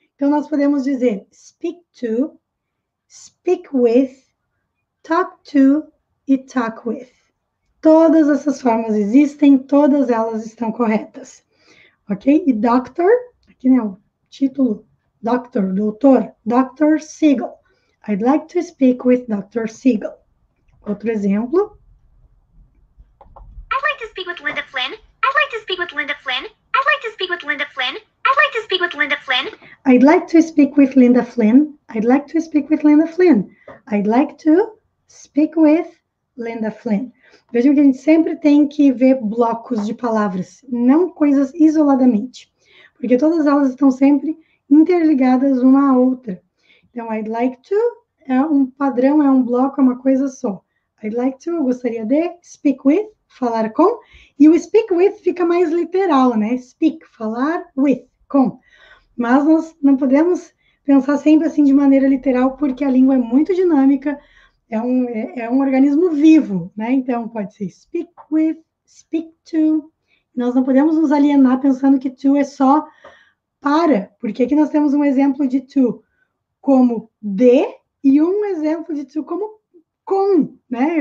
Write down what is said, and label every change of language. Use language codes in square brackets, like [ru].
[pt] Então, nós podemos dizer [en] speak to, speak with, talk to [pt] e [en] talk with. [pt] Todas essas formas existem, todas elas estão corretas. Ok? E doctor, aqui né, o título, doctor, doutor, Dr. [en] Siegel. I'd like to speak with Dr. Siegel. [pt] Outro exemplo. [en] I'd like to speak with Linda Flynn. I'd like to speak with Linda Flynn. I'd like to speak with Linda Flynn. I'd like to speak with Linda Flynn. I'd like to speak with Linda Flynn. I'd like to speak with Linda Flynn. I'd like to speak with Linda Flynn. [pt] Vejam que a gente sempre tem que ver blocos de palavras, não coisas isoladamente. Porque todas elas estão sempre interligadas uma à outra. Então, [en] I'd like to [pt] é um padrão, é um bloco, é uma coisa só. [en] I'd like to, [pt] eu gostaria de, [en] speak with, [pt] falar com. E o speak with fica mais literal, né? Speak, falar, with, com. Mas nós não podemos pensar sempre assim de maneira literal, porque a língua é muito dinâmica, é um organismo vivo, né? Então, pode ser speak with, speak to. Nós não podemos nos alienar pensando que to é só para, porque aqui nós temos um exemplo de to como de e um exemplo de to como com, né?